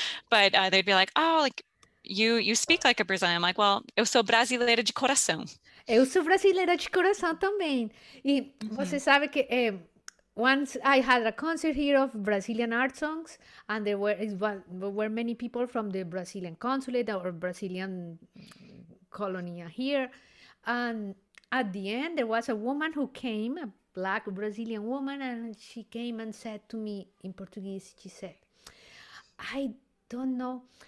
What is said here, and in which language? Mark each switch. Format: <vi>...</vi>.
<en>But they'd be like, "Oh, like you speak like a Brazilian." I'm like, "Well,</en> <pt>eu sou brasileira de coração." Eu sou brasileira de coração também. E você sabe que</pt> <en>once I had a concert here of Brazilian art songs, and there were many people from the Brazilian consulate or Brazilian colony here. And at the end, there was a woman who came, a black Brazilian woman, and she came and said to me in Portuguese, she said, "I don't know.</en>